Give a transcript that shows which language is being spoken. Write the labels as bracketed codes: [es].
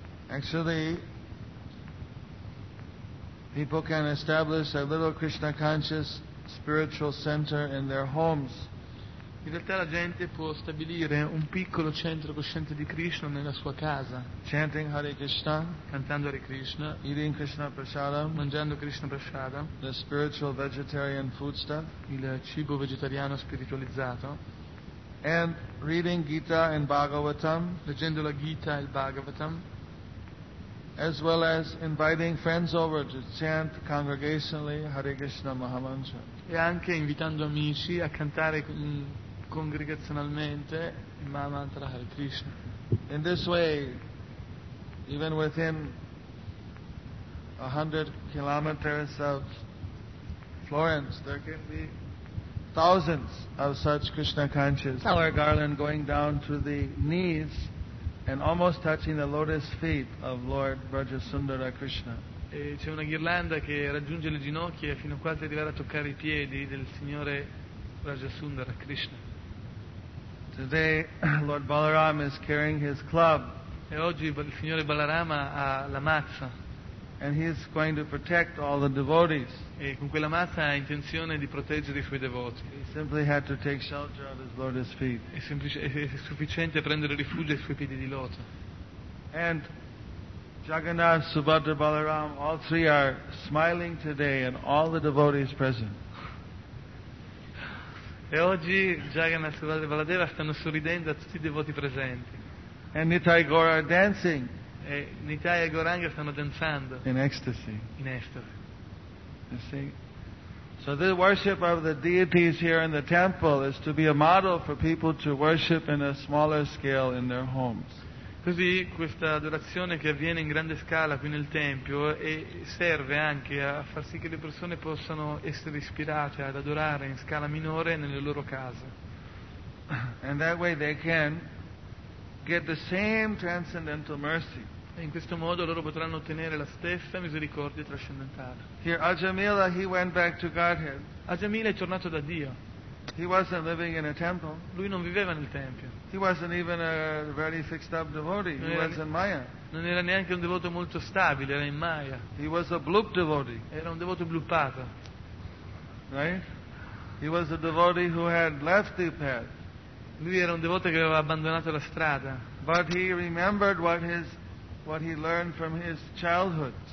[en] Actually, people can establish a little Krishna conscious spiritual center in their homes. [it] In realtà la gente può stabilire un piccolo centro cosciente di Krishna nella sua casa. [en] Chanting Hare Krishna, [it] cantando Hare Krishna, [en] eating Krishna prasadam, [it] mangiando Krishna prasadam, [en] the spiritual vegetarian foodstuff, [it] il cibo vegetariano spiritualizzato, [en] and reading Gita and Bhagavatam, [it] leggendo la Gita e il Bhagavatam, [en] as well as inviting friends over to chant congregationally Hare Krishna Mahamantra. [it] E anche invitando amici a cantare congregazionalmente il Mahamantra Hare Krishna. [en] In this way, even within 100 kilometers of Florence, there can be thousands of such Krishna conscious flower garland going down to the knees and almost touching the lotus feet of Lord Vrajasundara Krishna. [it] E c'è una ghirlanda che raggiunge le ginocchia fino a quasi arrivare a toccare i piedi del signore Vrajasundara Krishna. [en] Today Lord Balaram is carrying his club. [it] E oggi il signore Balarama ha la mazza. [en] And he is going to protect all the devotees. [it] E con quella mazza ha intenzione di proteggere i suoi devoti. [en] He simply had to take shelter at his lotus feet. [it] È sufficiente prendere rifugio ai suoi piedi di loto. [en] And Jagannath, Subhadra, Balaram, all three are smiling today, and all the devotees present. [it] E oggi Jagannath, Subhadra, Baladeva stanno sorridendo a tutti i devoti presenti. [en] And Nitai Gaur are dancing. [it] E Nitai e Goranga stanno danzando [en] in ecstasy. In ecstasy. You see? So the worship of the deities here in the temple is to be a model for people to worship in a smaller scale in their homes. [it] Così questa adorazione che avviene in grande scala qui nel tempio e serve anche a far sì che le persone possano essere ispirate ad adorare in scala minore nelle loro case. [en] And that way they can get the same transcendental mercy. [it] E in questo modo loro potranno ottenere la stessa misericordia trascendentale. [en] Here Ajamila, he went back to Godhead. [it] Ajamila è tornato da Dio. [en] He wasn't living in a temple. [it] Lui non viveva nel tempio. [en] He wasn't even a very fixed up devotee. He was in Maya. [it] Non era neanche un devoto molto stabile, era in Maya. [en] He was a bloop devotee. [it] Era un devoto bloopato. [en] Right? He was a devotee who had left the path. [it] Lui era un devoto che aveva abbandonato la strada. [en] But he remembered what he learned from his childhood.